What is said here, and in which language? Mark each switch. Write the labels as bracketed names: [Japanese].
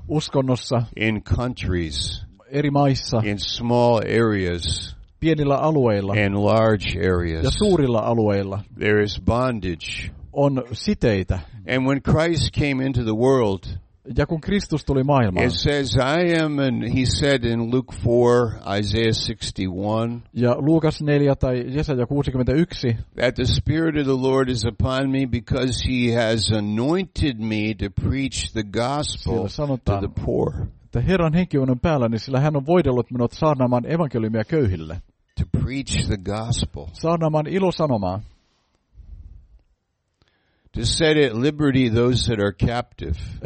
[Finnish] Uskonnossa. [English] In countries. [Finnish] Eri maissa. [English] In small areas. [Finnish] Pienillä alueilla. [English] And large areas. [Finnish] Ja suurilla alueilla. [English] There is bondage. [Finnish] On siteitä. [English] And when Christ came into the world. [Finnish] Ja kun Kristus tuli maailmaan. [English] It says I am and he said in Luke 4 Isaiah 61. [Finnish] Ja Luukas 4 tai Jesaja 61. [English] That the Spirit of the Lord is upon me because he has anointed me to preach the gospel to the poor. [Finnish] Että Herran henki on päälläni, sillä hän on voidellut minut saarnaamaan evankeliumia köyhille. [English] To preach the gospel. [Finnish] Saarnaamaan ilosanomaa. [English] To set at liberty those that are captive.